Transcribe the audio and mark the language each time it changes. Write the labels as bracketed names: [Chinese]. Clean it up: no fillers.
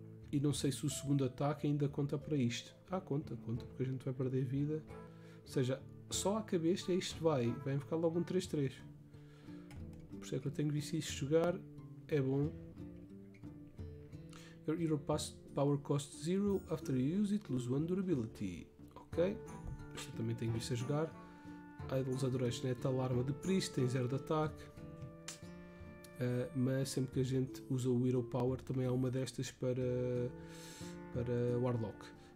[Portuguese] E não sei se o segundo ataque ainda conta para isto. Ah, conta, porque a gente vai perder vida. Ou seja. Só à cabeça isto vai ficar logo um 3-3. Por isso é que eu tenho visto isto jogar, é bom. [English] Your hero passed power cost 0, after you use it, lose 1 durability. [Portuguese] Ok, isto também tenho visto a jogar. Idol's Adoration é tal arma de priest, tem 0 de ataque. Mas sempre que a gente usa o hero power, também há uma destas para Warlock.